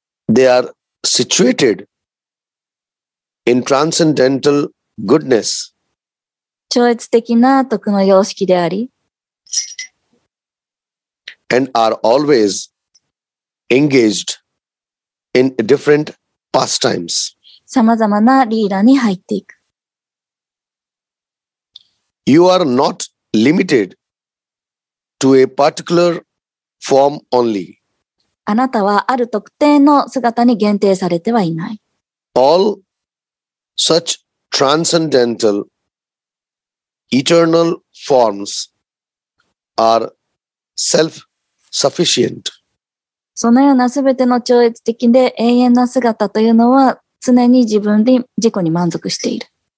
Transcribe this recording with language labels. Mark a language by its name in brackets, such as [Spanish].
[English] They are situated in transcendental goodness. [Japanese] 超越的な徳の様式であり、 [English] and are always engaged in different pastimes. [Japanese] さまざまなリーダーに入っていく。 [English] You are not limited to a particularform only. [Japanese] あなたはある特定の姿に限定されてはいない。 [English] All such transcendental eternal forms are self-sufficient. [Japanese] そのようなすべての超越的で永遠な姿というのは常に自分で自己に満足している。